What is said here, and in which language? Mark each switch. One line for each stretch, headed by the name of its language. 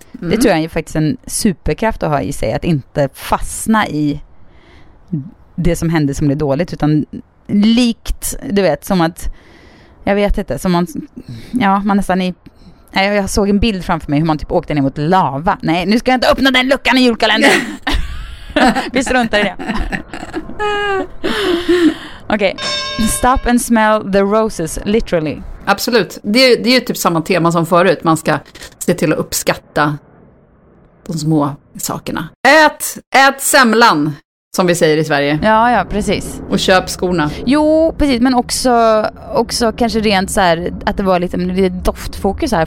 Swedish: Det tror jag är ju faktiskt en superkraft att ha i sig. Att inte fastna i det som händer som blir dåligt. Utan likt, du vet, som att jag vet inte, som man nästan är, jag såg en bild framför mig hur man typ åkte ner mot lava. Nej, nu ska jag inte öppna den luckan i julkalendern. Vi struntar i det. Okej.
English: Stop and smell the roses, literally.
Swedish: Absolut, det är ju typ samma tema som förut. Man ska se till att uppskatta de små sakerna. Ät semlan, som vi säger i Sverige. Ja, precis. Och köp skorna. Jo, precis. Men också kanske rent så här, att det var lite doftfokus här.